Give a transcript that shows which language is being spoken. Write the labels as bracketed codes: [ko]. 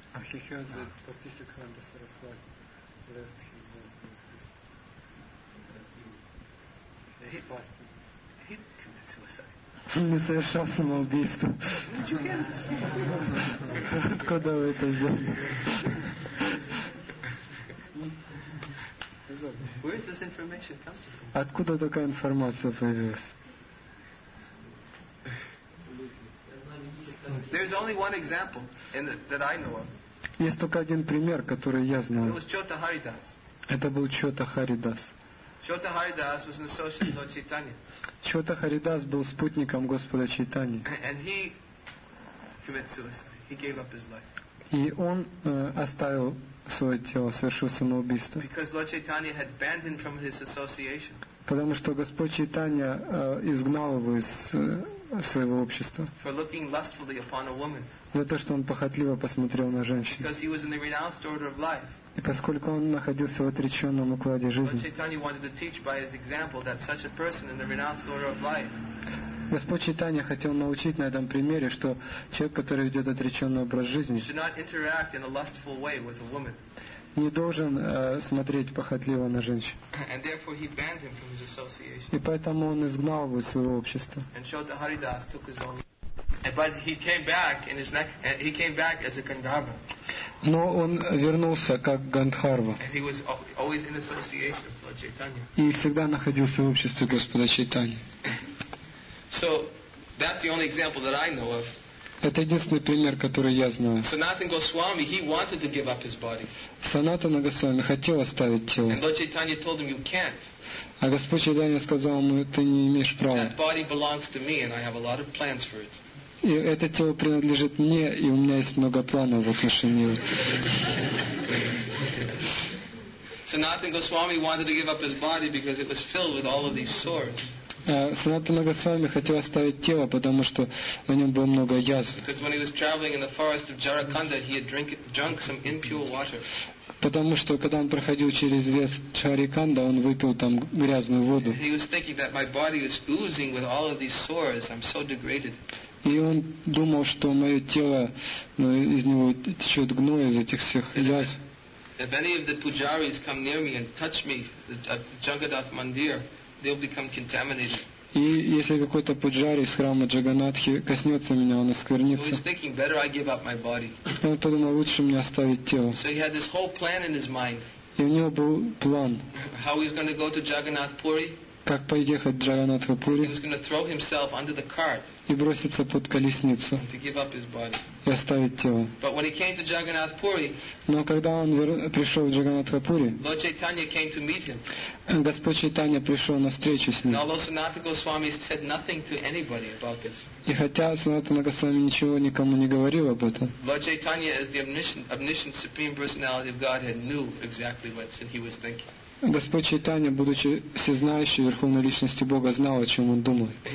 [en] He heard that Bhaktisiddhanta Saraswati left his body in existence. He didn't commit suicide. [ru] Не совершал самоубийство. Откуда вы это взяли? [en] Where is this information come from? [ru] Откуда такая информация появилась? [en] There is only one example that I know of. [ru] Есть только один пример, который я знаю. [en] It was Chota Haridas. [ru] Это был Чота Харидас. [en] Chota Haridas was an associate of Lord Chaitanya. [ru] Чота Харидас был спутником Господа Чайтани. [en] And he committed suicide. He gave up his life. [ru] И он оставил свое тело, совершил самоубийство. [en] Because Lord Chaitanya had banned him from his association. [ru] Потому что Господь Чайтанья изгнал его из своего общества. [en] For looking lustfully upon a woman. [ru] За то, что он похотливо посмотрел на женщину. [en] Because he was in the renounced order of life. [ru] И поскольку он находился в отреченном укладе жизни, [en] Lord Chaitanya wanted to teach by his example that such a person in the renounced order of life. [ru] Господь Чайтанья хотел научить на этом примере, что человек, который ведет отреченный образ жизни, [en] should not interact in a lustful way with a woman. [ru] Не должен смотреть похотливо на женщин. [en] And therefore he banned him from his association. [ru] И поэтому он изгнал его из своего общества. [en] And Chota Haridas took his own. But he came back in his neck. He came back as a Gandharva. [ru] Но он вернулся как Гандхарва. [en] And he was always in association with Lord Chaitanya. [ru] И всегда находился в обществе Господа Чайтаньи. [en] So that's the only example that I know of. [ru] Это единственный пример, который я знаю. [en] Sanatana Goswami, he wanted to give up his body. [ru] Sanatana Goswami хотел оставить тело. [en] And Lord Chaitanya told him, you can't. [ru] А Господь Чайтанья сказал ему, ты не имеешь права. [en] That body belongs to me, and I have a lot of plans for it. [ru] И это тело принадлежит мне, и у меня есть много планов в отношении его. [en] Sanatana Goswami wanted to give up his body because it was filled with all of these sores. [ru] Санатана Госвами хотел оставить тело, потому что на нем было много язв. [en] Because when he was traveling in the forest of Jarakanda, he had drunk some impure water. [ru] Потому что когда он проходил через лес Чариканда, он выпил там грязную воду. [en] He was thinking that my body is oozing with all of these sores. I'm so degraded. [ru] И он думал, что мое тело, ну, из него течет гной из этих всех язв. [en] If any of the pujaris come near me and touch me, at Jagannath Mandir, they'll become contaminated. [ru] И если какой-то пуджари из храма Джаганатхи коснется меня, он осквернится. [en] So he's thinking, better I give up my body. [ru] Он подумал, лучше мне оставить тело. [en] So he had this whole plan in his mind. [ru] И у него был план. [en] How he's going to go to Jagannath Puri? [ru] Как поехать в Джаганатха Пури? [en] He was going to throw himself under the cart. [ru] И броситься под колесницу. [en] To give up his body. [ru] И оставить тело. [en] But when he came to Jagannath Puri, [ru] но когда он пришел в Джаганатха Пури, [en] Lord Chaitanya came to meet him. [ru] Господь Чайтанья пришел на встречу с ним. [en] And although Sanatana Goswami said nothing to anybody about this. [ru] И хотя Санатана Госвами ничего никому не говорил об этом. [en] Lord Chaitanya, as the omniscient supreme personality of Godhead, knew exactly what he was thinking. [ru] Господь Чайтанья, будучи всезнающей верховной личностью Бога, знал, о чем он думает.